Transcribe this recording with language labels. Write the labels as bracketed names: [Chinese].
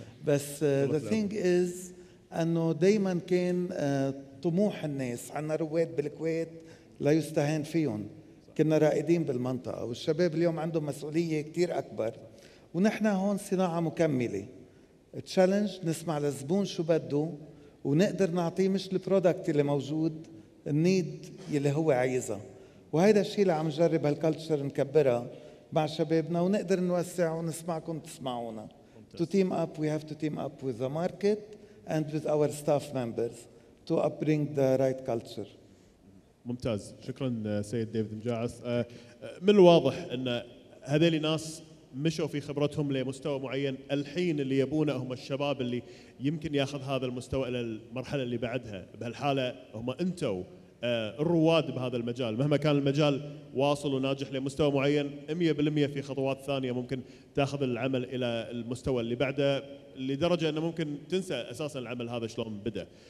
[Arabic] بس [English] the thing is [Arabic] أنه دايماً كان طموح الناس، عنا رواد بالكويت لا يستهان فيهم، كنا رائدين بالمنطقة، والشباب اليوم عندهم مسؤولية كتير أكبر، ونحن هون صناعة مكملة. تشالنج نسمع للزبون شو بده ونقدر نعطيه مش البرودكت اللي موجود، النيد اللي هو عايزها. وهذا الشيء اللي عم نجرب هالكالتشر نكبرها مع شبابنا، ونقدر نوسع ونسمعكم تسمعونا. [English] To team up, we have to team up with the market and with our staff members to upbring the right culture. [Arabic] ممتاز، شكرا سيد ديفيد مجاعس. من الواضح ان هذيل ناس مشوا في خبرتهم لمستوى معين، الحين اللي يبونه هم الشباب اللي يمكن ياخذ هذا المستوى الى المرحله اللي بعدها. بهالحاله هم انتوا الرواد بهذا المجال، مهما كان المجال واصل وناجح لمستوى معين 100% في خطوات ثانيه ممكن تاخذ العمل الى المستوى اللي بعده، لدرجه انه ممكن تنسى اساسا العمل هذا شلون بدا.